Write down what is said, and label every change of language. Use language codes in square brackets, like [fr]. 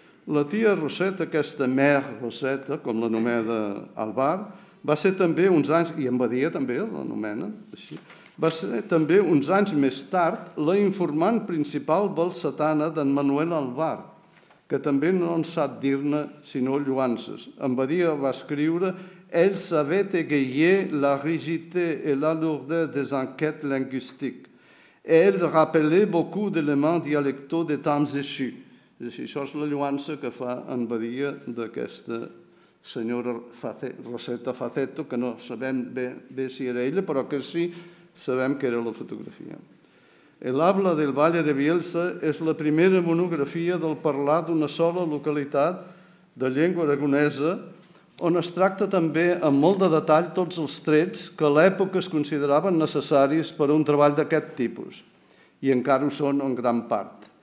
[ca] La tia Rosetta, aquesta Mère Rosetta, com l'anomena Alvar, va ser també uns anys, i en Badia també l'anomena així, va ser també uns anys més tard la informant principal balsatana d'en Manuel Alvar, que també no en sap dir-ne sinó lluances. [fr] En Badia va escriure: «Elle savait égayer la rigidité et la lourdeur des enquêtes linguistiques. Elle rappelait beaucoup d'éléments dialectaux des temps échus». [ca] Això és la lluança que fa en Badia d'aquesta senyora Rosetta Faceto, que no sabem bé si era ella, però que sí sabem que era la fotografia. «El habla del Valle de Bielsa és la primera monografia del parlar d'una sola localitat de llengua aragonesa, on es tracta també amb molt de detall tots els trets que a l'època es consideraven necessaris per a un treball d'aquest tipus, i encara ho són en gran part.